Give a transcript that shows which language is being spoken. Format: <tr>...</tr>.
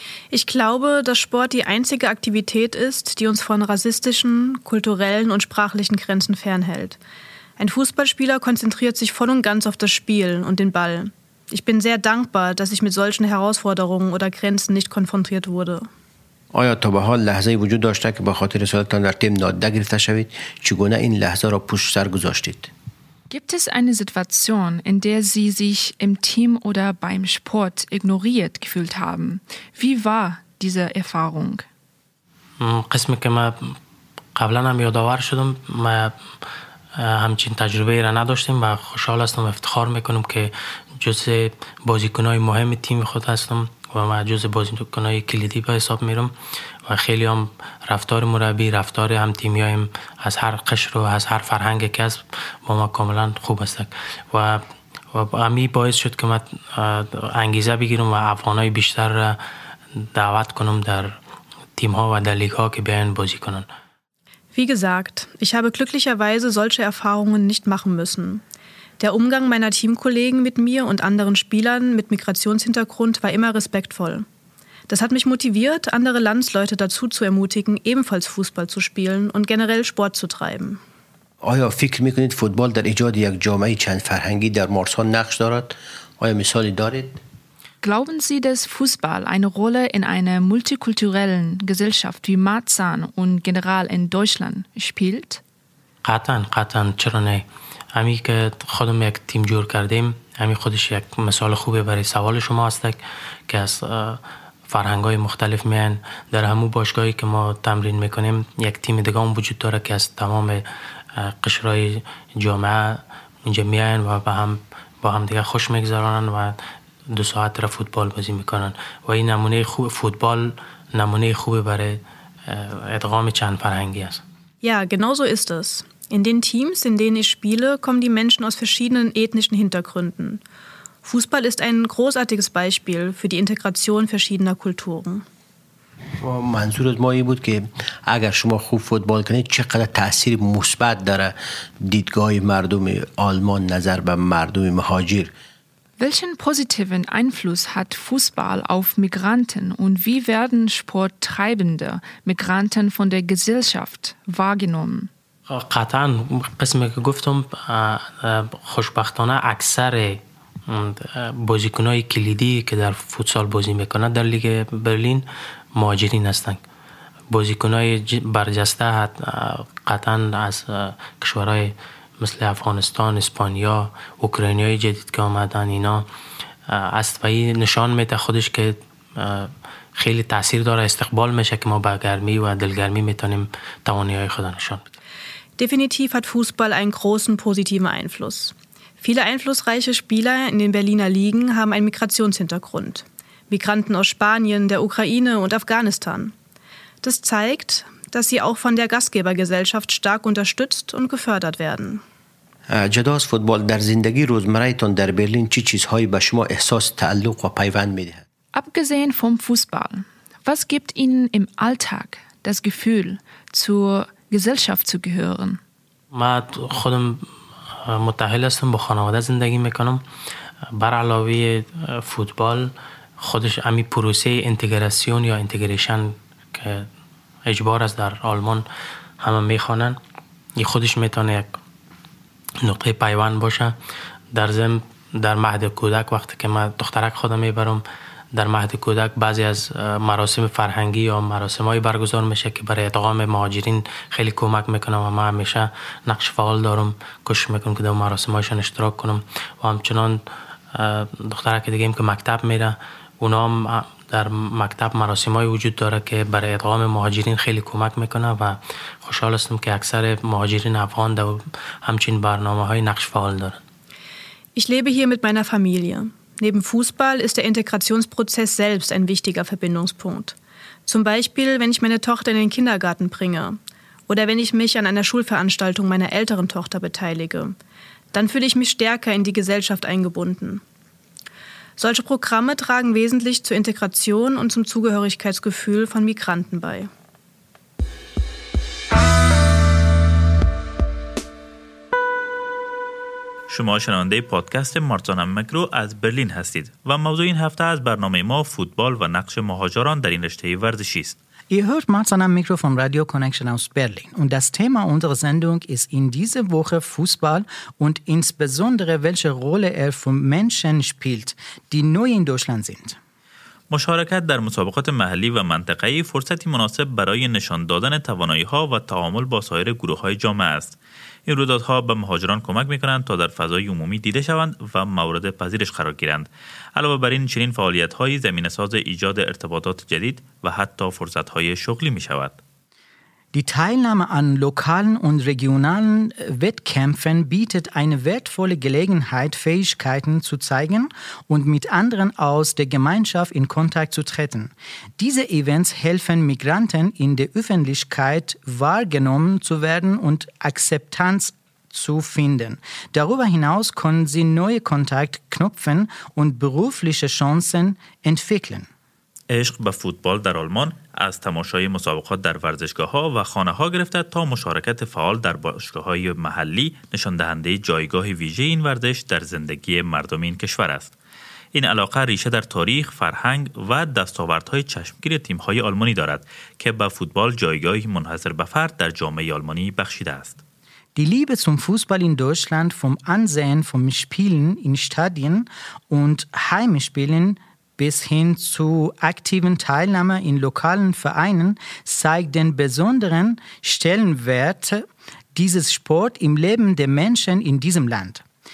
<de>Ich glaube, dass Sport die einzige Aktivität ist, die uns von rassistischen, kulturellen und sprachlichen Grenzen fernhält. Ein Fußballspieler konzentriert sich voll und ganz auf das Spiel und den Ball. Ich bin sehr dankbar, dass ich mit solchen Herausforderungen oder Grenzen nicht konfrontiert wurde.</de> <fa>آیا تا به حال لحظه‌ای وجود داشته که به خاطر سوالتان در تیم نادیده گرفته شوید؟ چگونه این لحظه را پشت سر گذاشتید؟</fa> <de>Gibt es eine Situation, in der Sie sich im Team oder beim Sport ignoriert gefühlt haben? Wie war diese Erfahrung?</de> <fa>قسمی که من قبلا هم یادآور شدم ما همچین تجربه ای را نداشتیم و خوشحال هستم افتخار میکنم که جزء بازیکنای مهم تیم خود هستم و ما جزء بازیکنای کلیدی به حساب میرم و خیلی هم رفتار مربی رفتار هم تیمیایم از هر قشر و از هر فرهنگ کس با ما کاملا خوب است و همی باعث شد که من انگیزه بگیرم و افغانای بیشتر دعوت کنم در تیم ها و در لیگ ها که بیان بازی کنن</fa> <de>Wie gesagt, ich habe glücklicherweise solche Erfahrungen nicht machen müssen. Der Umgang meiner Teamkollegen mit mir und anderen Spielern mit Migrationshintergrund war immer respektvoll. Das hat mich motiviert, andere Landsleute dazu zu ermutigen, ebenfalls Fußball zu spielen und generell Sport zu treiben.</de> <fa>آیا فکر میکنید فوتبال در ایجاد یک جامعه چند فرهنگی در مارسان نقش دارد؟ آیا مثالی دارید؟</fa> <de>Glauben Sie, dass Fußball eine Rolle in einer multikulturellen Gesellschaft wie Marzahn und General in Deutschland spielt?</de> <fa>قطعاً چرا نه؟ همی که خودم یک تیم جور کردیم همی خودش یک مثال خوبه برای سوال شما است که از فرهنگ‌های مختلف میان در همو باشگاهی که ما تمرین میکنیم یک تیم دیگه هم وجود داره که از تمام قشرهای جامعه اونجا میان و با هم دیگه خوش میگذرانن و دو ساعت را فوتبال بازی میکنن و این نمونه خوب فوتبال نمونه خوبه برای ادغام چند فرهنگی است</fa> <de>Ja, genauso ist es. In den Teams, in denen ich spiele, kommen die Menschen aus verschiedenen ethnischen Hintergründen. Fußball ist ein großartiges Beispiel für die Integration verschiedener Kulturen.</de> <fa>منظور ما این بود که اگر شما خوب فوتبال کنید چقدر تأثیر مثبت داره دیدگاه مردم آلمان نظر به مردم مهاجر.</fa> <de>Welchen positiven Einfluss hat Fußball auf Migranten und wie werden sporttreibende Migranten von der Gesellschaft wahrgenommen?</de> <fa>قطعا قسمی که گفتم خوشبختانه اکثر بازیکنهای کلیدی که در فوتسال بازی میکنند در لیگ برلین مهاجرین هستند بازیکنهای برجسته قطعا از کشورهای مثل افغانستان، اسپانیا، اوکراینی های جدید که آمدن اینا است و این نشان میده خودش که خیلی تأثیر داره استقبال میشه که ما با گرمی و دلگرمی میتونیم توانایی خود نشان بدیم</fa> <de>Definitiv hat Fußball einen großen positiven Einfluss. Viele einflussreiche Spieler in den Berliner Ligen haben einen Migrationshintergrund. Migranten aus Spanien, der Ukraine und Afghanistan. Das zeigt, dass sie auch von der Gastgebergesellschaft stark unterstützt und gefördert werden.</de> <fa>جداز فوتبال در زندگی روزمره‌تان در برلین چی چیزهایی به شما احساس تعلق و پیوند می‌دهد؟</fa> <de>Abgesehen vom Fußball, was gibt Ihnen im Alltag das Gefühl zur Gesellschaft zu gehören.</de> <fa>ما خودم متأهل هستم با خانواده زندگی میکنم. بر علاوه فوتبال خودش همین پروسه اینتگراسیون یا اینتگریشن که اجبار است در آلمان همه میخوانن یه خودش میتونه نقطه پیوند باشه. در زم در مهد کودک وقتی که من دخترک خودم میبرم در مهد کودک بعضی از مراسم فرهنگی یا مراسم های برگزار میشه که برای ادغام مهاجرین خیلی کمک میکنم و من همیشه نقش فعال دارم، کوشش میکنم که در مراسم هایشان اشتراک کنم. و همچنان دخترک دیگه ایم که مکتب میره، اونا هم در مکتب مراسم های وجود داره که برای ادغام مهاجرین خیلی کمک میکنه و خوشحال هستم که اکثر مهاجرین افغان در همچین برنامه های نقش فعال دارن.</fa> <de>Ich lebe hier mit meiner Familie. Neben Fußball ist der Integrationsprozess selbst ein wichtiger Verbindungspunkt. Zum Beispiel, wenn ich meine Tochter in den Kindergarten bringe oder wenn ich mich an einer Schulveranstaltung meiner älteren Tochter beteilige, dann fühle ich mich stärker in die Gesellschaft eingebunden. Solche Programme tragen wesentlich zur Integration und zum Zugehörigkeitsgefühl von Migranten bei.</de> <fa>شما شنونده پادکست مارتان مکرو از برلین هستید و موضوع این هفته از برنامه ما فوتبال و نقش مهاجران در این رشته ورزشی است.</fa> <de>Ihr hört Martin am Mikrofon Radio Connection aus Berlin und das Thema unserer Sendung ist in dieser Woche Fußball und insbesondere welche Rolle er für Menschen spielt, die neu in Deutschland sind.</de> <fa>مشارکت در مسابقات محلی و منطقه‌ای فرصتی مناسب برای نشان دادن توانایی‌ها و تعامل با سایر گروه‌های جامعه است. این رویدادها به مهاجران کمک می‌کنند تا در فضای عمومی دیده شوند و مورد پذیرش قرار گیرند. علاوه بر این چنین فعالیت‌های زمینه‌ساز ایجاد ارتباطات جدید و حتی فرصت‌های شغلی می‌شود.</fa> <de>Die Teilnahme an lokalen und regionalen Wettkämpfen bietet eine wertvolle Gelegenheit, Fähigkeiten zu zeigen und mit anderen aus der Gemeinschaft in Kontakt zu treten. Diese Events helfen Migranten, in der Öffentlichkeit wahrgenommen zu werden und Akzeptanz zu finden. Darüber hinaus können sie neue Kontakte knüpfen und berufliche Chancen entwickeln.</de> <fa>عشق به فوتبال در آلمان از تماشای مسابقات در ورزشگاه‌ها و خانه‌ها گرفته تا مشارکت فعال در باشگاه‌های محلی، نشان دهنده جایگاه ویژه این ورزش در زندگی مردم این کشور است. این علاقه ریشه در تاریخ، فرهنگ و دستاوردهای چشمگیر تیم‌های آلمانی دارد که به فوتبال جایگاهی منحصر به فرد در جامعه آلمانی بخشیده است.</fa> <de>Die Liebe zum Fußball in Deutschland vom Ansehen, vom Spielen in Stadien und Heimspielen bis hin zu aktiven Teilnahme in lokalen Vereinen zeigt den besonderen Stellenwert dieses Sport im Leben der Menschen in diesem Land.</de>